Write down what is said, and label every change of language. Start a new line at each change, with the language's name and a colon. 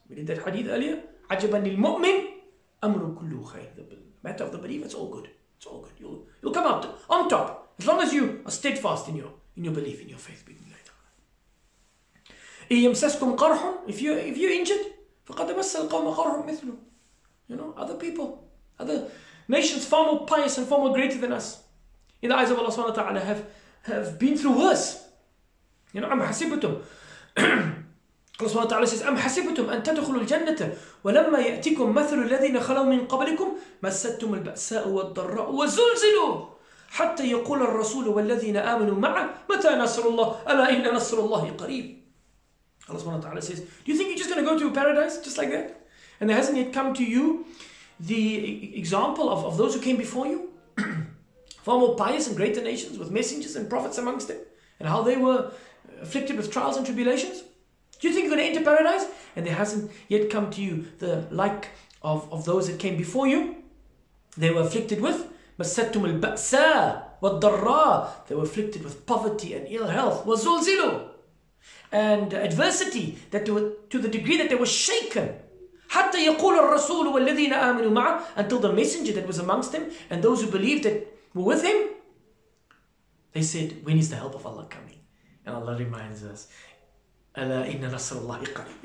English: We did that hadith earlier.
Arabic: عَجَبًا لِلْمُؤْمِنِ أَمْرُ كُلُّ خَيْرٍ.
English: The matter of the believer, it's all good. It's all good. You'll come out on top. As long as you are steadfast in your belief, in your faith.
Arabic: يَمْسَسْكُمْ قَرْحٌ.
English: If you're injured,
Arabic: فَقَدْ مَسَّ الْقَوْمَ قَرْحٌ مِثْلُ.
English: You know, other people, other nations far more pious and far more greater than us, in the eyes of Allah subhanahu wa ta'ala, have been through worse. You know,
Arabic: أَمْ حَسِبْتُمْ.
English: Allah subhanahu wa ta'ala says,
Arabic: أَمْ حَسِبْتُمْ أَن تَدْخُلُوا الْجَنَّةَ وَلَمَّا يَأْتِكُمْ مَثَلُ الَّذِينَ خَلَوْا مِنْ قَبْلِكُمْ مَسَّتْهُمْ الْبَأْسَاءُ وَالضَّرَّاءُ وَزُلْزِلُوا حَتَّى يَقُولَ الرَّسُولُ وَالَّذِينَ آمَنُوا مَعَهُ مَتَى نَصْرُ اللَّهِ أَلَا إِنَّ نَصْرَ اللَّهِ قَرِيبٌ.
English: Allah subhanahu wa ta'ala says, do you think you're just going to go to paradise just like that? And there hasn't yet come to you the example of those who came before you? Far more pious and greater nations with messengers and prophets amongst them. And how they were afflicted with trials and tribulations. Do you think you're going to enter paradise? And there hasn't yet come to you the like of those that came before you. They were afflicted with
Arabic: مَسَّتُمُ الْبَأْسَاءَ وَالضَّرَّاءَ.
English: They were afflicted with poverty and ill health.
Arabic: وَزُلْزِلُوا.
English: And adversity, that they were, to the degree that they were shaken.
Arabic: حَتَّى يَقُولَ الرَّسُولُ وَالَّذِينَ آمَنُوا مَعَهُ.
English: Until the messenger that was amongst them and those who believed that were with him, they said, when is the help of Allah coming? And Allah reminds us,
Arabic: أَلَا إِنَّ نَصْرَ اللَّهِ قَرِيبٌ.